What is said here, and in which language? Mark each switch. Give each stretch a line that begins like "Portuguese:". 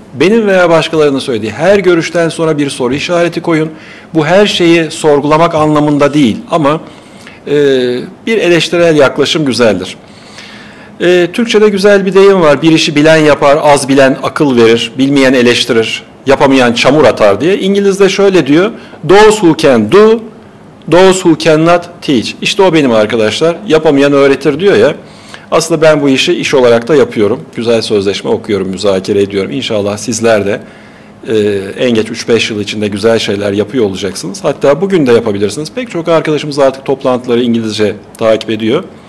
Turkish: Benim veya başkalarının söylediği her görüşten sonra bir soru işareti koyun. Bu her şeyi sorgulamak anlamında değil ama bir eleştirel yaklaşım güzeldir. Türkçe'de güzel bir deyim var. Bir işi bilen yapar, az bilen akıl verir, bilmeyen eleştirir, yapamayan çamur atar diye. İngiliz'de şöyle diyor.
English: Those who can do, those who cannot teach.
Turkish: İşte o benim arkadaşlar. Yapamayan öğretir diyor ya. Aslında ben bu işi iş olarak da yapıyorum. Güzel sözleşme okuyorum, müzakere ediyorum. İnşallah sizler de en geç 3-5 yıl içinde güzel şeyler yapıyor olacaksınız. Hatta bugün de yapabilirsiniz. Pek çok arkadaşımız artık toplantıları İngilizce takip ediyor.